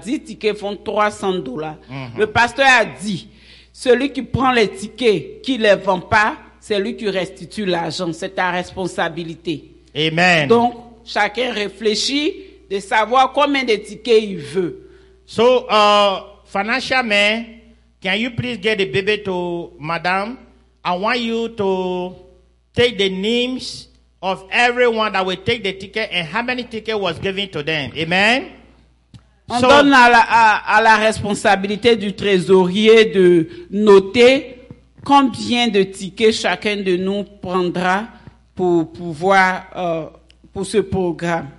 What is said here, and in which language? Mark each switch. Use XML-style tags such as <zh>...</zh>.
<fr>10 tickets font $300. Mm-hmm. Le pasteur a dit, celui qui prend les tickets, qui ne les vend pas, c'est lui qui restitue l'argent. C'est ta responsabilité. Amen. Donc, chacun réfléchit de savoir combien de tickets il veut.</fr> <en>So, financial man, can you please get the baby to madame? I want you to take the names of everyone that will take the ticket and how many tickets was given to them. Amen.</en> <fr>On donne à la responsabilité du trésorier de noter combien de tickets chacun de nous prendra pour pouvoir pour ce programme.</fr>